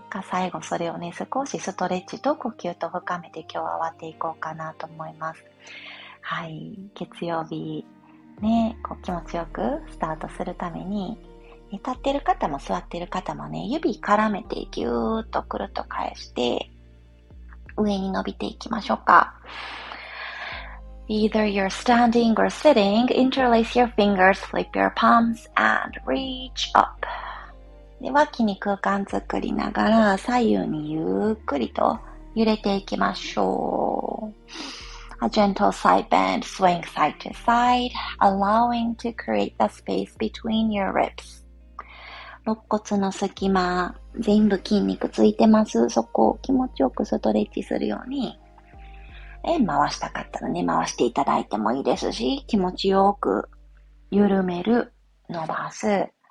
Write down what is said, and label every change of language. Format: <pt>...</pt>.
<ja>最後それをね、少しストレッチと呼吸と深めて今日は終わっていこうかなと思います。はい、月曜日ね、こう気持ちよくスタートするために、立っている方も座っている方もね、指絡めてぎゅーっとくるっと返して、上に伸びていきましょうか。</ja> <en>Either you're standing or sitting, interlace your fingers, flip your palms and reach up.</en> <ja>で、脇に空間作りながら左右にゆっくりと揺れていきましょう。</ja> <en>A gentle side bend, swing side to side, allowing to create the space between your ribs.</en> <ja>肋骨の隙間、全部筋肉ついてます。そこを気持ちよくストレッチするように。円回したかったらね、回していただいてもいいですし、気持ちよく緩める、伸ばす。</ja>